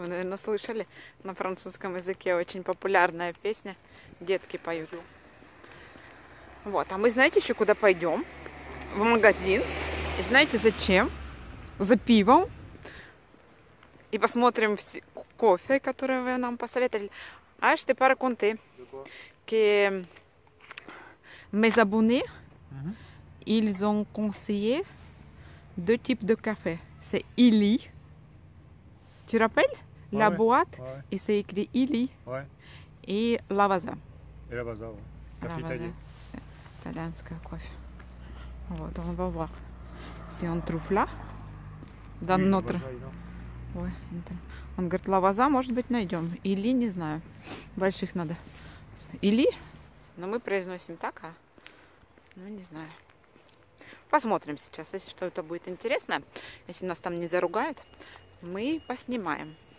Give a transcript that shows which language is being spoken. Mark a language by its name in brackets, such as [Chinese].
[Russian] Вы, наверное, слышали на французском языке. Очень популярная песня. Детки поют. Вот, а мы знаете еще куда пойдем? В магазин. И знаете зачем? За пивом. И посмотрим кофе, который вы нам посоветовали. А что пара конте? [French] Que mes abonnés, ils ont conseillé deux types de café. C'est Illy. Tu rappelles? Ouais, la boîte, ouais. Et c'est écrit Illy. Ouais. Et Lavazza. Et Lavazza, ouais. Café italien. Italien, кофе. Вот, on va voir. Si on trouve là, dans notre... [Russian] Ой, он говорит, Lavazza, может быть, найдем. Illy, не знаю. Больших надо. Illy? Но мы произносим так, а... Ну, не знаю. Посмотрим сейчас, если что-то будет интересно. Если нас там не заругают, мы поснимаем.